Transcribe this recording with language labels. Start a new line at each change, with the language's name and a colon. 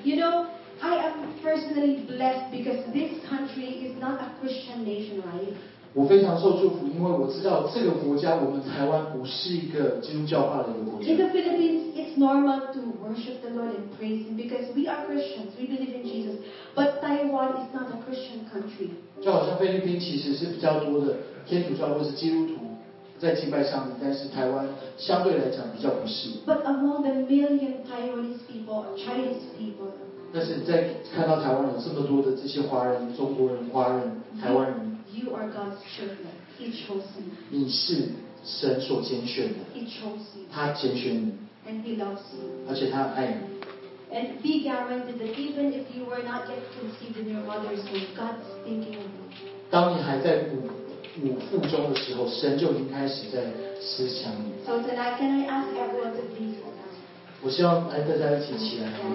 English: You know, I am personally blessed because this country is not a Christian nation, right?
Chinese: 我非常受祝福，因为我知道这个国家，我们台湾不是一个基督教化的一个国家。
English: In the Philippines, it's normal to worship the Lord and praise Him because we are Christians, we believe in Jesus. But Taiwan is not a Christian country.
Chinese: 就好像菲律宾其实是比较多的天主教或是基督徒。在敬拜上面，但是台湾相对来讲比较不是。
English: But among the million Taiwanese people, Chinese people.
Chinese: 但是在看到台湾有这么多的这些华人、中国人、华人、台湾人。
English: You are God's children. He chose you.
Chinese: 你是神所拣选的。
English: He chose you.
Chinese: 他拣选你。
English: And he loves you.
Chinese: 而且他爱你。
English: And be guaranteed that even if you were not yet conceived in your mother's womb, God's thinking of you.
Chinese: 当你还在母腹中的时候，神就已经开始在思想你。
English: So tonight, can I ask everyone to please?
Chinese: 我希望来大家一起起来，